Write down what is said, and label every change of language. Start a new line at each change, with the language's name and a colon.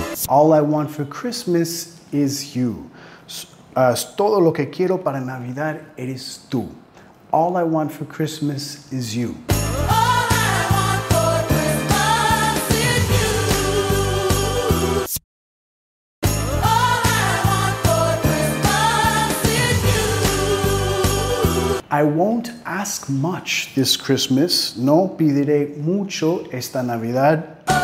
English: All I want for Christmas is you.
Spanish: Todo lo que quiero para Navidad eres tú.
English: All I want for Christmas is you. All I want for Christmas is you. All I want for Christmas is you. I won't ask much this Christmas.
Spanish: No pediré mucho esta Navidad.